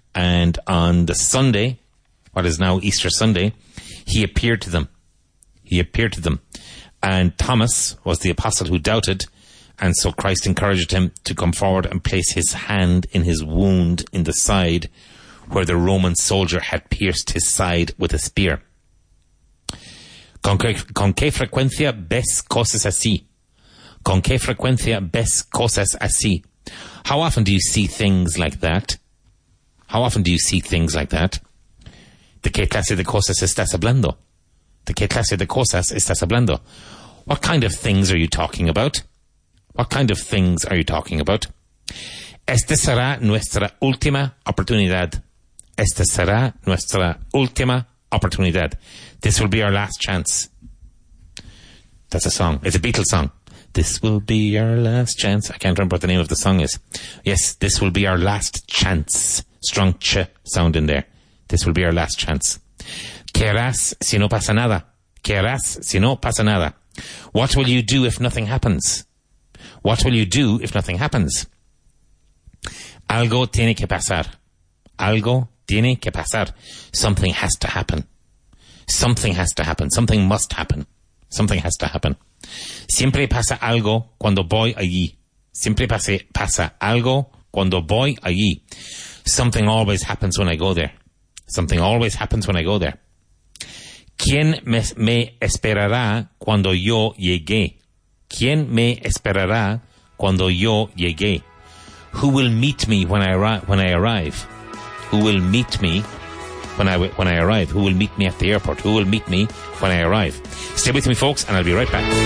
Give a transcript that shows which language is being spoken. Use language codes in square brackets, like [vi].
[en] And on the Sunday, what is now Easter Sunday, he appeared to them. He appeared to them. And Thomas was the apostle who doubted. And so Christ encouraged him to come forward and place his hand in his wound in the side where the Roman soldier had pierced his side with a spear. [es] ¿Con qué frecuencia ves cosas así? ¿Con qué frecuencia ves cosas así? [en] How often do you see things like that? How often do you see things like that? [es] ¿De qué clase de cosas estás hablando? ¿De qué clase de cosas estás hablando? [en] What kind of things are you talking about? What kind of things are you talking about? [es] Esta será nuestra última oportunidad. Esta será nuestra última oportunidad. [en] This will be our last chance. That's a song. It's a Beatles song. This will be our last chance. I can't remember what the name of the song is. Yes, this will be our last chance. Strong ch sound in there. This will be our last chance. [es] ¿Qué harás si no pasa nada? ¿Qué harás si no pasa nada? [en] What will you do if nothing happens? What will you do if nothing happens? [es] Algo tiene que pasar. Algo tiene que pasar. [en] Something has to happen. Something has to happen. Something must happen. Something has to happen. [es] Siempre pasa algo cuando voy allí. Siempre pasa algo cuando voy allí. [en] Something always happens when I go there. Something always happens when I go there. [es] ¿Quién me esperará cuando yo llegué? ¿Quién me esperará cuando yo llegué? [en] Who will meet me when I arrive? Who will meet me when I arrive? Who will meet me at the airport? Who will meet me when I arrive? Stay with me, folks, and I'll be right back.